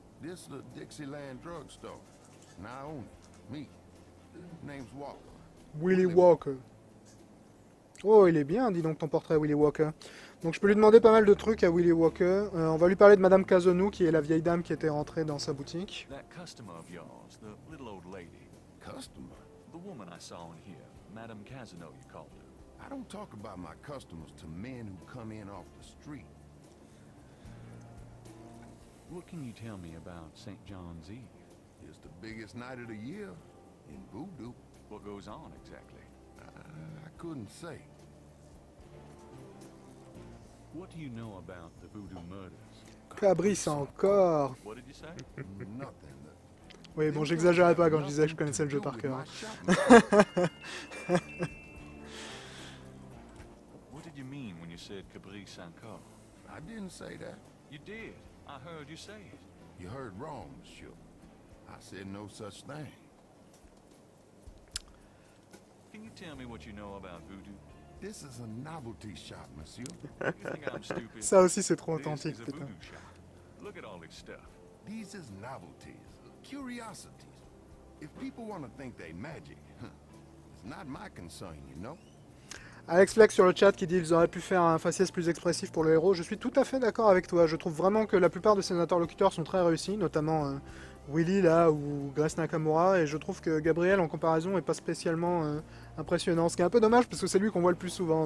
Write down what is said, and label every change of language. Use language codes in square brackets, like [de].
[en] This is the Dixieland drug store. Now I own it. Me. Name's Walker. Willy Walker. [fr] Oh, il est bien, dis donc ton portrait, Willy Walker. Donc je peux lui demander pas mal de trucs à Willy Walker. On va lui parler de Madame Kazonou, qui est la vieille dame qui était rentrée dans sa boutique. [en] That customer of yours, the little old lady. Customer? The woman I saw in here, Madame Kazonou, you called her. I don't talk about my customers to men who come in off the street. What can you tell me about Saint John's Eve? It's the biggest night of the year in voodoo. What goes on exactly? I couldn't say. What do you know about the voodoo murders? [fr] Cabris encore. [en] What did you say? Nothing. [fr] Oui, bon, j'exagérais pas quand je disais que je connaissais le jeu par cœur. [en] What did you mean when you said [fr] Cabris encore? [en] I didn't say that. You did. I heard you say it. You heard wrong, monsieur. I said no such thing. Can you tell me what you know about voodoo? This is a novelty shop, monsieur. [fr] Ça aussi, c'est trop authentique, putain. [en] Look at all this stuff. These is novelties, curiosities. If people want to think they magic, it's not my concern, you know. [fr] Alex Flex sur le chat qui dit ils auraient pu faire un faciès plus expressif pour le héros. Je suis tout à fait d'accord avec toi. Je trouve vraiment que la plupart de ses interlocuteurs sont très réussis, notamment Willy là ou Grace Nakamura. Et je trouve que Gabriel en comparaison est pas spécialement impressionnant, ce qui est un peu dommage parce que c'est lui qu'on voit le plus souvent.